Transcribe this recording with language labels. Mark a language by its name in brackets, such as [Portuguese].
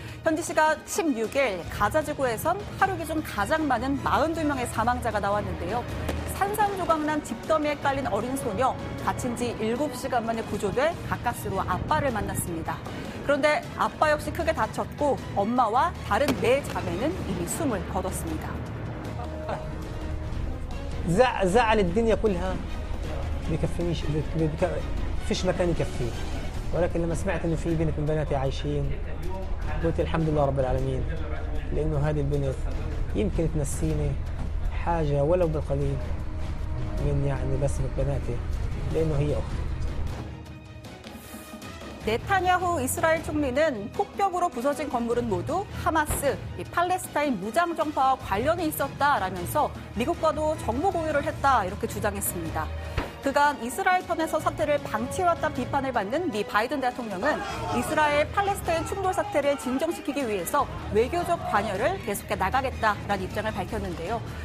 [Korean] 현지 시각 16일 가자지구에선 하루 기준 가장 많은 42명의 사망자가 나왔는데요. 산산조각난 집더미에 깔린 어린 소녀, 다친 지 7시간 만에 구조돼 가까스로 아빠를 만났습니다. 그런데 아빠 역시 크게 다쳤고 엄마와 다른 네 자매는 이미 숨을 거뒀습니다. [Arabic] 자자알 الدنيا كلها بكفيش بكفيش مكان يكفي ولكن لما سمعت انه في بنت من بناتي عايشين قلت الحمد لله رب العالمين لأنه هذه البنت يمكن تنسيني حاجة ولو بالقليل من يعني بس بناتي لأنه هي أختي. [Korean] 네타냐후 이스라엘 총리는 폭격으로 부서진 건물은 모두 하마스, 팔레스타인 무장 정파와 관련이 있었다라면서 미국과도 정보 공유를 했다 이렇게 주장했습니다. 그간 이스라엘 편에서 사태를 방치해왔다 비판을 받는 미 바이든 대통령은 이스라엘 팔레스타인 충돌 사태를 진정시키기 위해서 외교적 관여를 계속해 나가겠다라는 입장을 밝혔는데요.